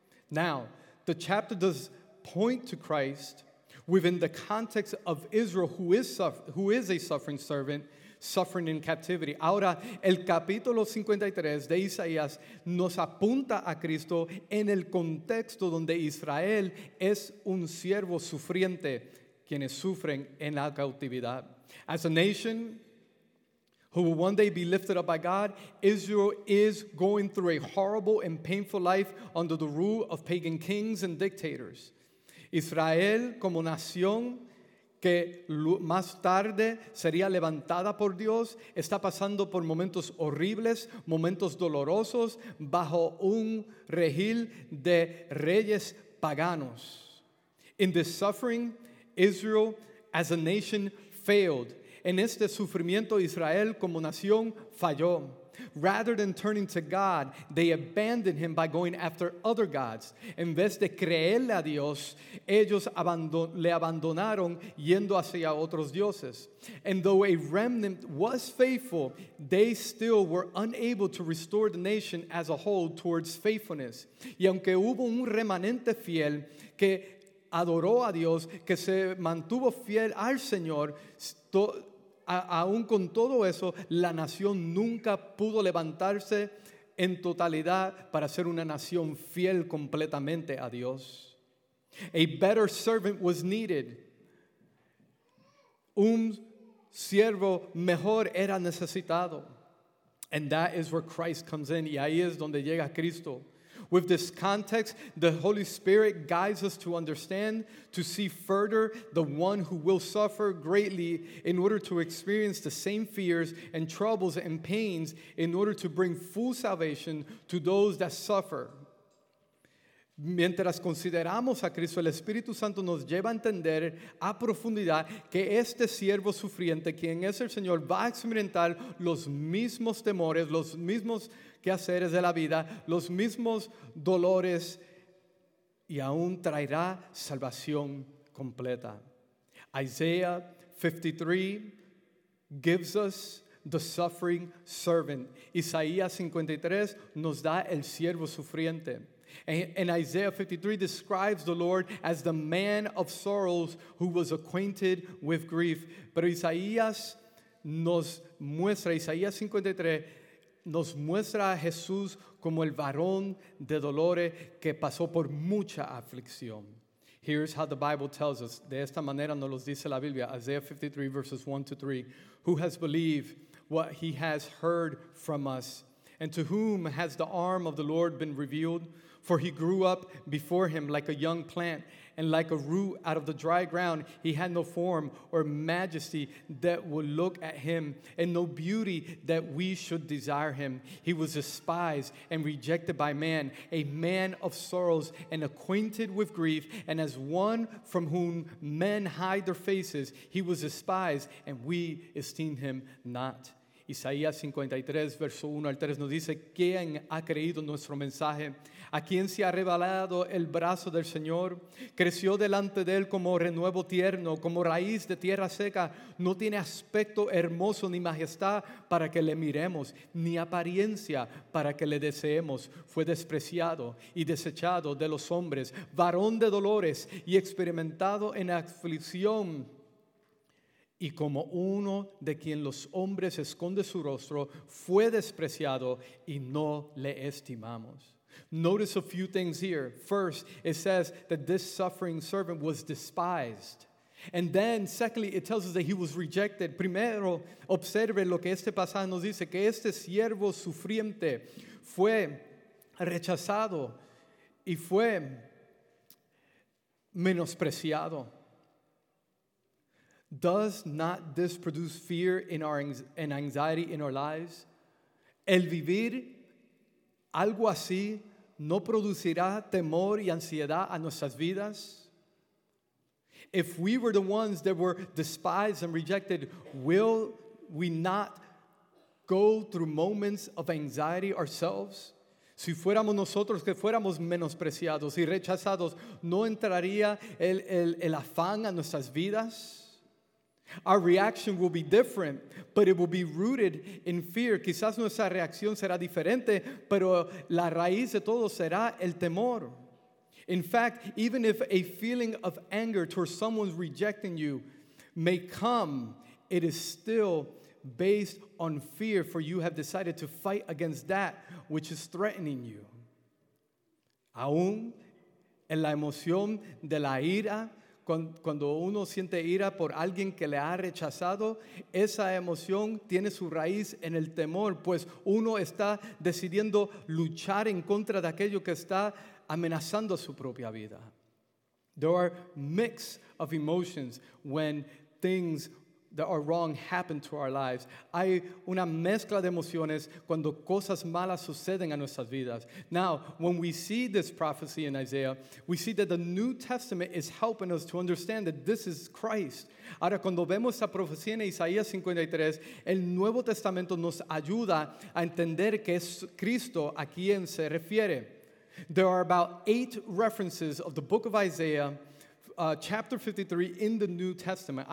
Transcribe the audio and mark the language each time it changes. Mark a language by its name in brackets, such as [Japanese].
[English] Now, the chapter does point to Christ within the context of Israel, who is a suffering servant, suffering in captivity. [Spanish] Ahora, el capítulo 53 de Isaías nos apunta a Cristo en el contexto donde Israel es un siervo sufriente, quienes sufren en la cautividad. [English] As a nation who will one day be lifted up by God, Israel is going through a horrible and painful life under the rule of pagan kings and dictators. [Spanish] Israel, como nación que más tarde sería levantada por Dios, está pasando por momentos horribles, momentos dolorosos, bajo un regil de reyes paganos. [English] In this suffering, Israel as a nation failed. [Spanish] En este sufrimiento, Israel como nación falló. [English] Rather than turning to God, they abandoned him by going after other gods. [Spanish] En vez de creerle a Dios, ellos le abandonaron yendo hacia otros dioses. [English] And though a remnant was faithful, they still were unable to restore the nation as a whole towards faithfulness. [Spanish] Y aunque hubo un remanente fiel que adoró a Dios, que se mantuvo fiel al Señor, aún con todo eso, la nación nunca pudo levantarse en totalidad para ser una nación fiel completamente a Dios. [English] A better servant was needed. [Spanish] Un siervo mejor era necesitado. [English] And that is where Christ comes in. [Spanish] Y ahí es donde llega Cristo. [English] With this context, the Holy Spirit guides us to understand, to see further the one who will suffer greatly in order to experience the same fears and troubles and pains in order to bring full salvation to those that suffer. [Spanish] Mientras consideramos a Cristo, el Espíritu Santo nos lleva a entender a profundidad que este siervo sufriente, quien es el Señor, va a experimentar los mismos temores, los mismos quehaceres de la vida, los mismos dolores, y aún traerá salvación completa. [English] Isaiah 53 gives us the suffering servant. [Spanish] Isaías 53 nos da el siervo sufriente. [English] And Isaiah 53 describes the Lord as the man of sorrows who was acquainted with grief. [Spanish] Pero Isaías nos muestra, Isaías 53 nos muestra a Jesús como el varón de dolores que pasó por mucha aflicción. [English] Here's how the Bible tells us. [Spanish] De esta manera nos los dice la Biblia. [English] Isaiah 53 verses 1 to 3. Who has believed what he has heard from us? And to whom has the arm of the Lord been revealed? For he grew up before him like a young plant, and like a root out of the dry ground. He had no form or majesty that would look at him, and no beauty that we should desire him. He was despised and rejected by man, a man of sorrows and acquainted with grief, and as one from whom men hide their faces, he was despised, and we esteemed him not. [Spanish] Isaías 53, verso 1 al 3 nos dice, ¿quién ha creído nuestro mensaje? ¿A quién se ha revelado el brazo del Señor? Creció delante de él como renuevo tierno, como raíz de tierra seca. No tiene aspecto hermoso ni majestad para que le miremos, ni apariencia para que le deseemos. Fue despreciado y desechado de los hombres, varón de dolores y experimentado en aflicción. Y como uno de quien los hombres esconde su rostro, fue despreciado y no le estimamos. [English] Notice a few things here. First, it says that this suffering servant was despised. And then, secondly, it tells us that he was rejected. [Spanish] Primero, observe lo que este pasaje nos dice, que este siervo sufriente fue rechazado y fue menospreciado. [English] Does not this produce fear in our and anxiety in our lives? [Spanish] El vivir algo así no producirá temor y ansiedad a nuestras vidas? [English] If we were the ones that were despised and rejected, will we not go through moments of anxiety ourselves? [Spanish] Si fuéramos nosotros que fuéramos menospreciados y rechazados, ¿no entraría el afán a nuestras vidas? [English] Our reaction will be different, but it will be rooted in fear. [Spanish] Quizás nuestra reacción será diferente, pero la raíz de todo será el temor. [English] In fact, even if a feeling of anger towards someone rejecting you may come, it is still based on fear, for you have decided to fight against that which is threatening you. [Spanish] Aún en la emoción de la ira, cuando uno siente ira por alguien que le ha rechazado, esa emoción tiene su raíz en el temor, pues uno está decidiendo luchar en contra de aquello que está amenazando su propia vida. [English] There are mix of emotions when things that are wrong happen to our lives. [Spanish] Hay una mezcla de emociones cuando cosas malas suceden a nuestras vidas. [English] Now, when we see this prophecy in Isaiah, we see that the New Testament is helping us to understand that this is Christ. [Spanish] Ahora, cuando vemos esta profecía en Isaías 53, el Nuevo Testamento nos ayuda a entender que es Cristo a quien se refiere. [English] There are about 8 references of the book of Isaiah, chapter 53 in the New Testament.